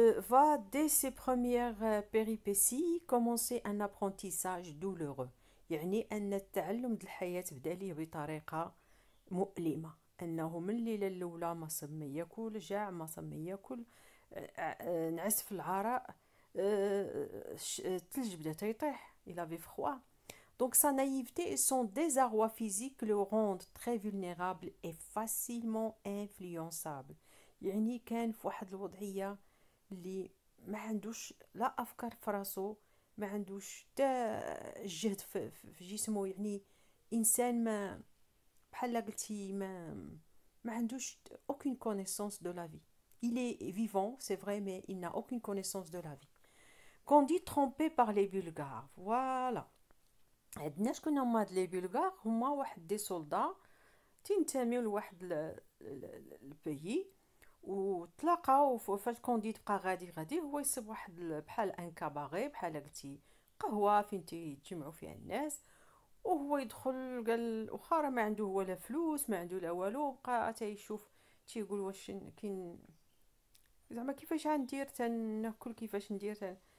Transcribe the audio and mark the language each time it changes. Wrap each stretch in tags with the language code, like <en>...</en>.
<fr>va dès ses premières péripéties commencer un apprentissage douloureux،</fr> <ar>يعني ان التعلم ديال الحياه بدا ليه بطريقه مؤلمه، انه من الليله الاولى ما صم ياكل، جاع ما صم ياكل، نعس في العراء، الثلج بدا تيطيح،</ar> <fr>il avait froid. Donc sa naïveté et son désarroi physique le rendent très vulnérable et facilement influençable.</fr> <ar>يعني كان في واحد الوضعيه اللي ما عندوش لا افكار في راسو، ما عندوش حتى جهد في جسمه، يعني انسان ما بحال قلتي ما عندوش</ar> <fr>aucune connaissance de la vie. Il est vivant, c'est vrai, mais il n'a aucune connaissance de la vie. Candide trompé par les Bulgares. Voilà.</fr> <ar>عندنا شكون هما هاد لي بلغار؟ هما واحد دي سولدا تينتميو لواحد البيي، وتلاقاو فاش كونديت بقى غادي هو يصب واحد بحال ان كاباغي، بحال قلتي قهوه فين تيجمعوا فيها الناس، وهو يدخل قال واخا راه ما عنده ولا فلوس ما عنده لا والو، بقى تيشوف تيقول واش كاين زعما كيفاش غندير تناكل، كيفاش ندير.</ar>